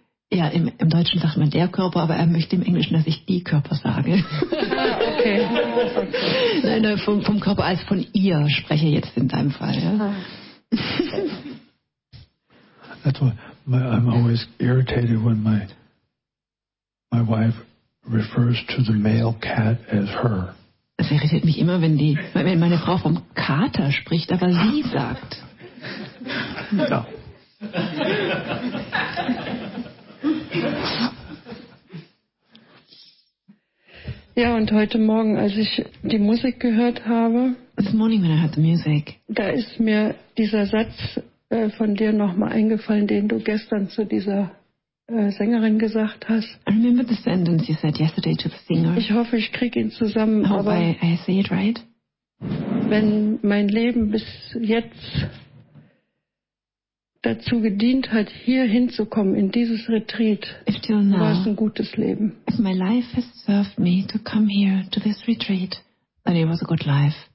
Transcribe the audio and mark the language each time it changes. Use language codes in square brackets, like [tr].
[de] Ja, im Deutschen sagt man der Körper, aber er möchte im Englischen, dass ich die Körper sage. Okay. Nein, vom Körper als von ihr spreche ich jetzt in deinem Fall. Ja? [en] That's why I'm always irritated when my wife refers to the male cat as her. [de] Es irritiert mich immer, wenn meine Frau vom Kater spricht, aber sie sagt. [en] No. [de] Ja, und heute Morgen, als ich die Musik gehört habe, [en] this morning when I heard the music, [de] da ist mir dieser Satz von dir nochmal eingefallen, den du gestern zu dieser Sängerin gesagt hast. [en] I remember the sentence you said yesterday to the singer. [de] Ich hoffe, ich kriege ihn zusammen. [en] I say it right. [de] Wenn mein Leben bis jetzt dazu gedient hat, hier hinzukommen, in dieses Retreat, war es ein gutes Leben. [en] If my life has served me to come here to this retreat, then it was a good life.